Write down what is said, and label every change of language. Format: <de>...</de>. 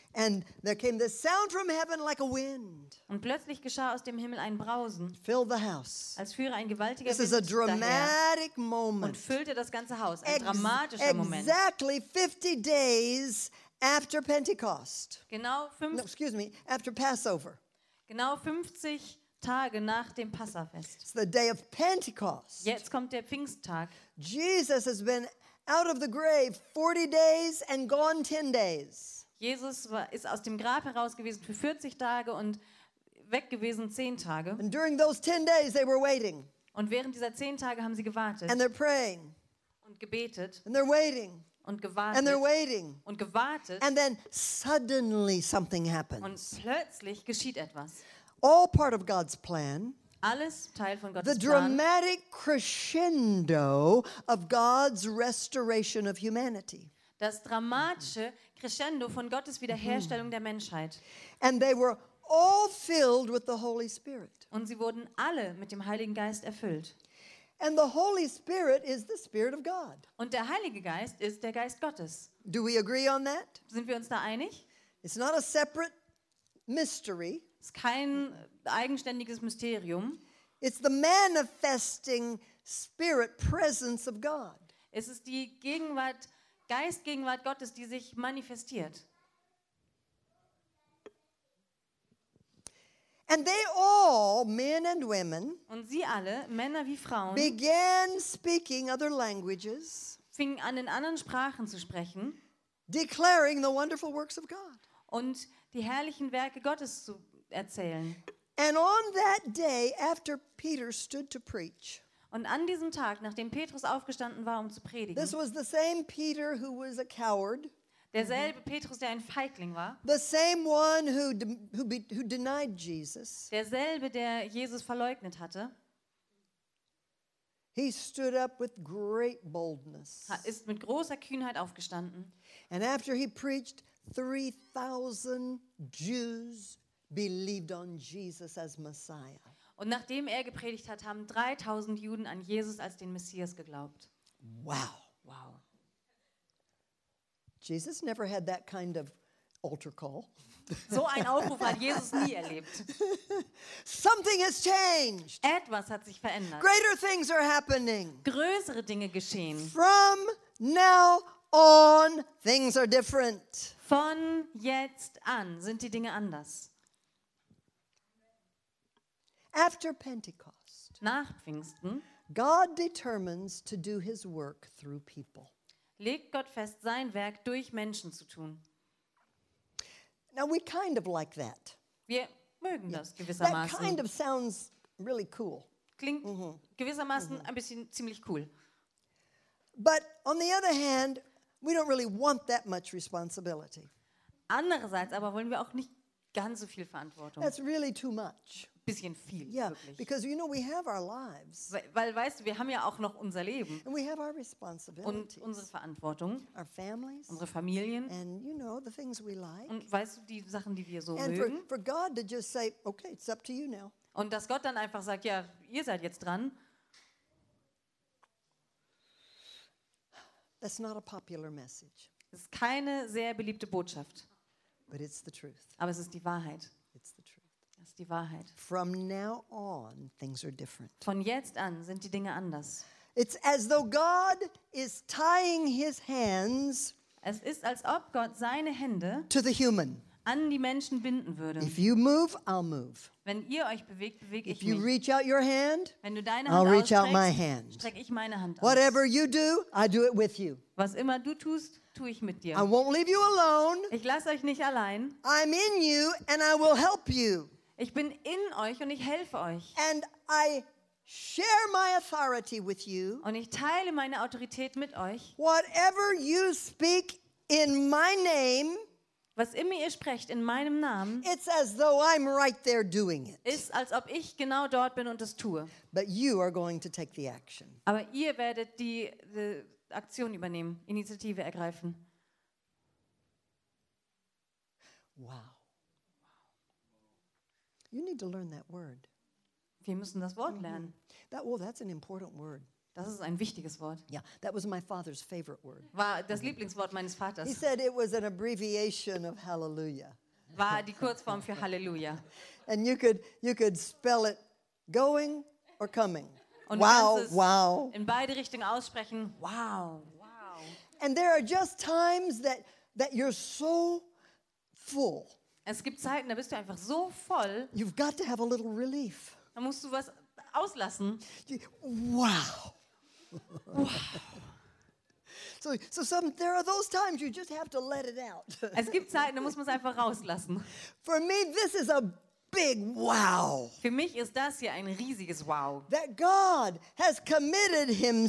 <en>And there came the sound from heaven like a wind.</en> <de>Und plötzlich geschah aus dem Himmel ein Brausen.</de> <en>Filled the house.</en> <de>Als führe ein gewaltiger</de> <en>this</en> <de>Wind</de> <en>is a dramatic</en> <de>daher</de> <en>moment.</en> <de>Und füllte das ganze Haus. Ein dramatischer Moment.</de> <en>Exactly 50 days after Pentecost.</en> <de>Genau</de> <en>after Passover.</en> <de>Genau 50 Tage nach dem Passafest.</de> <en>It's the day of Pentecost.</en> <de>Jetzt kommt der Pfingsttag.</de> <en>Jesus has been out of the grave 40 days and gone 10 days.</en> <de>Jesus ist aus dem Grab heraus gewesen für 40 Tage und weg gewesen 10 Tage.</de> <en>And during those 10 days they were waiting.</en> <de>Und während dieser 10 Tage haben sie gewartet.</de> <en>And they're praying.</en> <de>Und gebetet.</de> <en>And they're waiting.</en> <de>Und gewartet.</de> <en>And they're waiting.</en> <de>Und gewartet.</de> <en>And then suddenly something happens.</en> <de>Und plötzlich geschieht etwas.</de> <en>All part of God's plan.</en> <de>Alles Teil von Gottes</de> <en>Plan. The dramatic crescendo of God's restoration of humanity.</en> <de>Das dramatische Crescendo von Gottes Wiederherstellung der Menschheit.</de> <en>And they were all filled with the Holy Spirit.</en> <de>Und sie wurden alle mit dem Heiligen Geist erfüllt.</de> <en>And the Holy Spirit is the Spirit of God.</en> <de>Und der Heilige Geist ist der Geist Gottes.</de> <en>Do we agree on that?</en> <de>Sind wir uns da einig?</de> <en>It's not a separate mystery.</en> <de>Es ist kein eigenständiges Mysterium.</de> <en>It's the manifesting spirit presence of God.</en> <de>Es ist die Gegenwart, Geistgegenwart Gottes, die sich manifestiert.</de> <en>And they all, men and women,</en> <de>und sie alle, Männer wie Frauen,</de> <en>began speaking other languages,</en> <de>fingen an, in anderen Sprachen zu sprechen,</de> <en>declaring the wonderful works of God.</en> <de>Und die herrlichen Werke Gottes zu erzählen.</de> <en>And on that day, after Peter stood to preach,</en> <de>und an diesem Tag, nachdem Petrus aufgestanden war, um zu predigen,</de> <en>this was the same Peter who was a coward,</en> <de>derselbe Petrus, der ein Feigling war,</de> <en>the same one who denied Jesus,</en> <de>derselbe, der Jesus verleugnet hatte,</de> <en>he stood up with great boldness,</en> <de>ist mit großer Kühnheit aufgestanden,</de> <en>and after he preached, 3,000 Jews believed on Jesus as Messiah.</en> <de>Und nachdem er gepredigt hat, haben 3000 Juden an Jesus als den Messias geglaubt.</de> <en>Wow.</en> <de>Wow.</de> <en>Jesus never had that kind of altar call.</en> <de>So ein Aufruf hat Jesus nie erlebt.</de> <en>Something has changed.</en> <de>Etwas hat sich verändert.</de> <en>Greater things are happening.</en> <de>Größere Dinge geschehen.</de> <en>From now on, things are different.</en> <de>Von jetzt an sind die Dinge anders.</de> <en>After Pentecost,</en> <de>nach Pfingsten,</de> <en>God determines to do his work through people.</en> <de>Legt Gott fest, sein Werk durch Menschen zu tun.</de> <en>Now we kind of like that.</en> <de>Wir mögen das gewissermaßen.</de> <en>That kind of sounds really cool.</en> <de>Klingt gewissermaßen ein bisschen ziemlich cool.</de> <en>But on the other hand, we don't really want that much responsibility.</en> <de>Andererseits aber wollen wir auch nicht ganz so viel Verantwortung.</de> <en>That's really too much.</en> <de>Bisschen viel,</de> <en>yeah,</en> <de>wirklich.</de> <en>Because you know we have our lives.</en> <de>Weil weißt du, wir haben ja auch noch unser Leben.</de> <en>And we have our responsibilities.</en> <de>Und unsere Verantwortung.</de> <en>Our families.</en> <de>Unsere Familien.</de> <en>And you know the things we like.</en> <de>Und weißt du, die Sachen, die wir so</de> <en>and</en> <de>mögen.</de> <en>For God to just say, okay, it's up to you now.</en> <de>Und dass Gott dann einfach sagt, ja, ihr seid jetzt dran.</de> <en>That's not a popular message.</en> <de>Das ist keine sehr beliebte Botschaft.</de> <en>But it's the truth.</en> <de>Aber es ist die Wahrheit.</de> <en>It's the truth.</en> <de>Die Wahrheit.</de> <en>From now on, things are different.</en> <de>Von jetzt an sind die Dinge anders.</de> <en>It's as though God is tying his hands.</en> <de>Es ist, als ob Gott seine Hände</de> <en>to the human.</en> <de>an die Menschen binden würde.</de> <en>If you move, I'll move.</en> <de>Wenn ihr euch bewegt, bewege</de> <en>If</en> <de>ich</de> <en>you</en> <de>mich.</de> <en>Reach out your hand,</en> <de>Wenn du deine Hand</de> <en>I'll</en> <de>ausstreckst,</de> <en>reach out my hand.</en> <de>Strecke ich meine Hand aus.</de> <en>Whatever you do, I do it with you.</en> <de>Was immer du tust, tue ich mit dir.</de> <en>I won't leave you alone.</en> <de>Ich lasse euch nicht allein.</de> <en>I'm in you and I will help you.</en> <de>Ich bin in euch und ich helfe euch.</de> <en>And I share my authority with you.</en> <de>Und ich teile meine Autorität mit euch.</de> <en>Whatever you speak in my name,</en> <de>was immer ihr sprecht in meinem Namen,</de> <en>it's as though I'm right there doing it.</en> <de>Ist als ob ich genau dort bin und das tue.</de> <en>But you are going to take the action.</en> <de>Aber ihr werdet die Aktion übernehmen, Initiative ergreifen.</de> <en>Wow. You need to learn that word.</en> <de>Wir müssen das Wort lernen.</de> <en>That's an important word.</en> <de>Das ist ein wichtiges Wort.</de> <en>Yeah, that was my father's favorite word.</en> <de>War das Lieblingswort meines Vaters.</de> <en>He said it was an abbreviation of Hallelujah.</en> <de>War die Kurzform für Halleluja.</de> <en>And you could spell it going or coming.</en> <de>Wow. In beide Richtungen aussprechen.</de> <en>Wow. And there are just times that you're so full.</en> <de>Es gibt Zeiten, da bist du einfach so voll.</de> <en>You've got to have a little relief.</en> <de>Da musst du was auslassen.</de> <en>Wow. So some there are those times you just have to let it out.</en> <de>Es gibt Zeiten, da muss man es einfach rauslassen.</de> <en>For me this is a big wow.</en> <de>Für mich ist das hier ein riesiges Wow.</de> <en>That God has committed himself.</en>